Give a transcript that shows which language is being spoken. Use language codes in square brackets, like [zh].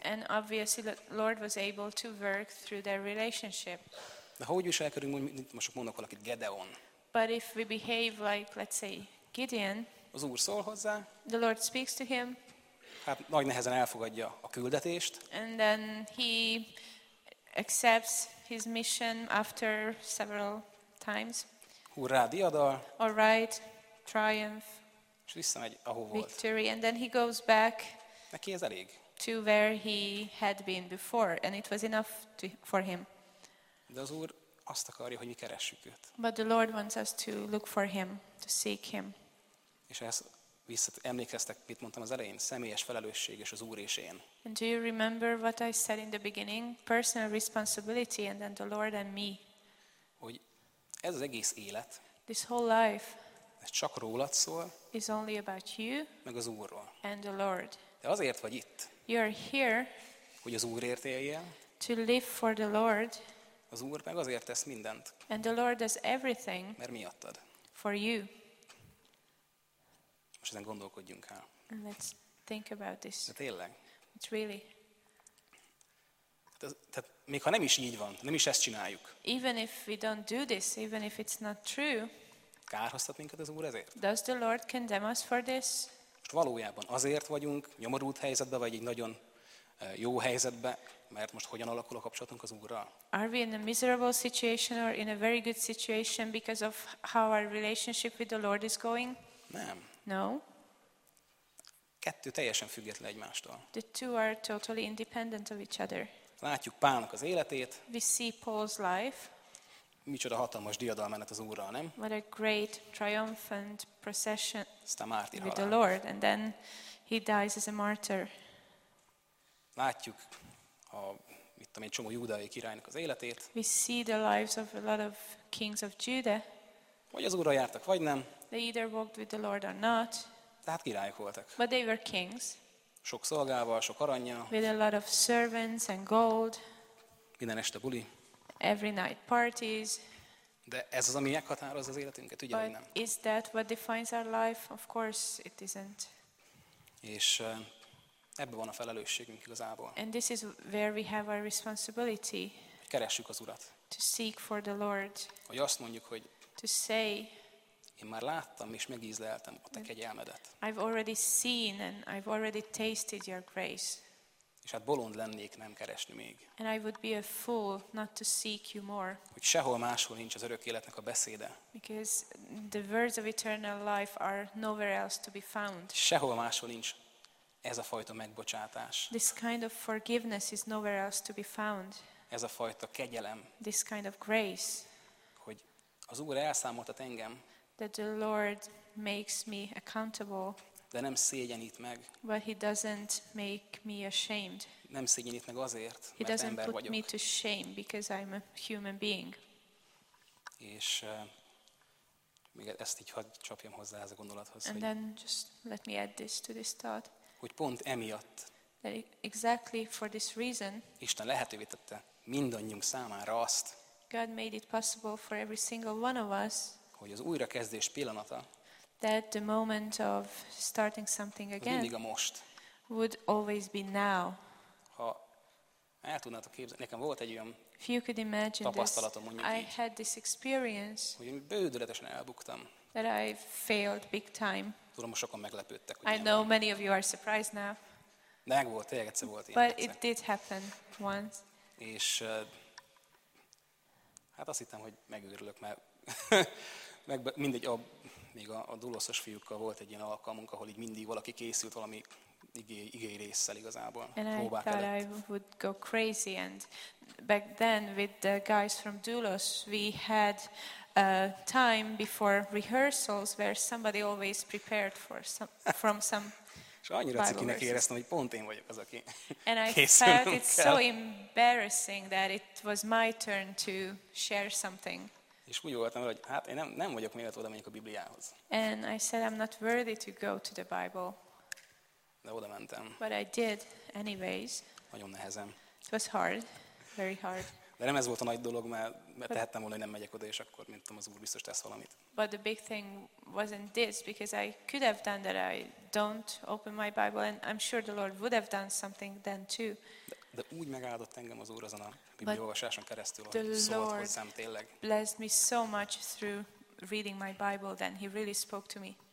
[en] And obviously the Lord was able to work through their relationship. [hu] De hogy viselkedünk, most mondok valakit, Gedeon. [en] But if we behave like, let's say, Gideon, [hu] az Úr szól hozzá, [en] the Lord speaks to him, [hu] hát nagy nehezen elfogadja a küldetést, [en] and then he accepts his mission after several times, [hu] hurrá, diadal, [en] all right, triumph, [hu] és visszamegy, ahol [en] victory, [hu] volt. [en] And then he goes back, [hu] neki ez elég, [en] to where he had been before, and it was enough to, for him. [hu] De az Úr azt akarja, hogy mi keressük őt. [en] But the Lord wants us to look for him, to seek him. [hu] És ezt emlékeztek, mit mondtam az elején, személyes felelősség és az Úr és én. [en] And do you remember what I said in the beginning? Personal responsibility and then the Lord and me. [hu] Hogy ez az egész élet. [en] This whole life. [hu] Ez csak rólad szól. [en] Is only about you. [hu] Meg az Úrról. [en] And the Lord. [hu] De azért vagy itt. [en] You are here. [hu] Hogy az Úrért éljél. [en] To live for the Lord. [hu] Az Úr meg azért tesz mindent. [en] And the Lord does everything. [hu] Mert miattad. [en] For you. [hu] Most ezen gondolkodjunk el. [en] Let's think about this. [hu] De tényleg. [en] It's really. [hu] Tehát még ha nem is így van, nem is ezt csináljuk. [en] Even if we don't do this, even if it's not true. [hu] Kárhoztat minket az Úr ezért? [en] Does the Lord condemn us for this? [hu] Most valójában azért vagyunk nyomorult helyzetben, vagy egy nagyon jó helyzetben, mert most hogyan alakul a kapcsolatunk az Úrral? [en] Are we in a miserable situation or in a very good situation because of how our relationship with the Lord is going? [hu] Nem. [en] No. [hu] Kettő teljesen független egymástól. [en] The two are totally independent of each other. [hu] Látjuk Pálnak az életét. [en] We see Paul's life. [hu] Micsoda hatalmas diadalmenet az Úrral, nem? [en] What a great triumphant procession. [hu] Aztán mártír halál. [en] With the Lord, and then he dies as a martyr. [hu] Látjuk a mit tudom én, csomó júdai királynak az életét. [en] We see the lives of a lot of kings of Judah. [hu] Vagy az Úrral jártak, vagy nem. [en] They either walked with the Lord or not. [hu] Tehát királyok voltak. [en] But they were kings. [hu] Sok szolgával, sok aranyjal. [en] With a lot of servants and gold. [hu] Minden este buli. [en] Every night parties. [hu] De ez az, ami meghatározza az életünket, ugye, [en] but [hu] nem? [en] But is that what defines our life? Of course it isn't. [hu] És ebben van a felelősségünk igazából. [en] And this is where we have our responsibility. [hu] Keressük az Urat. [en] To seek for the Lord. [hu] Hogy azt mondjuk, hogy [en] to say, [hu] én már láttam és megízleltem a te kegyelmedet. [en] I've already seen and I've already tasted your grace. [hu] És hát bolond lennék nem keresni még. [en] And I would be a fool not to seek you more. [hu] Hogy sehol máshol nincs az örök életnek a beszéde. [en] Because the words of eternal life are nowhere else to be found. [hu] Sehol máshol nincs ez a fajta megbocsátás. [en] This kind of forgiveness is nowhere else to be found. [hu] Ez a fajta kegyelem. [en] This kind of grace. [hu] Hogy az Úr elszámoltat engem. [en] That the Lord makes me accountable. [hu] De nem szégyenít meg. [en] But he doesn't make me ashamed. [hu] Nem szégyenít meg azért, [en] he [hu] mert ember vagyok. [en] He doesn't put me to shame because I'm a human being. [hu] És még ezt így hadd csapjam hozzá ez a gondolathoz. [en] And then just let me add this to this thought. [hu] Hogy pont emiatt. [en] That exactly for this reason. [hu] Isten lehetővé tette mindannyiunk számára azt. [en] God made it possible for every single one of us. [hu] Hogy az újrakezdés pillanata. [en] That the moment of starting something again. [hu] Mindig a most. [en] Would always be now. [hu] Ha el tudnátok képzelni, nekem volt egy olyan. [en] If you could imagine [hu] tapasztalatom, [en] this, [hu] mondjuk [en] I [hu] így, [en] had this experience. [hu] Hogy én bődületesen elbuktam. [en] That I failed big time. [hu] Tudom, sokan meglepődtek. [en] I know many of you are surprised now. [hu] Meg volt, tényleg egyszer volt. [en] But it did happen once. [hu] És Hát azt hittem, hogy megőrülök, mert mindegy, még a dulosos fiúkkal volt egy ilyen alkalmunk, ahol így mindig valaki készült valami igéi résszel igazából. [en] And I thought I would go crazy. And back then with the guys from Dulos, we had a time before rehearsals where somebody always prepared for some, from some [hu] és annyira cikinek éreztem, hogy pont én vagyok az, aki [en] and I felt it's so embarrassing that it was my turn to share something. [hu] És úgy voltam, hogy hát én nem vagyok méltó, oda menjek a Bibliához. [en] And I said I'm not worthy to go to the Bible. [hu] De oda mentem. [en] But I did anyways. [hu] Nagyon nehezen. [en] It was hard, very hard. [hu] De nem ez volt a nagy dolog, mert tehettem volna, hogy nem megyek oda, és akkor mint tudom, az Úr biztos tesz valamit. [en] But the big thing wasn't this, because I could have done that. I don't open my Bible, and I'm sure the Lord would have done something then too. [hu] De úgy megáldott engem az Úr azon a Bibliaolvasáson keresztül, hogy szólt hozzám tényleg. [en] Blessed me so much through reading my Bible, then he really spoke to me.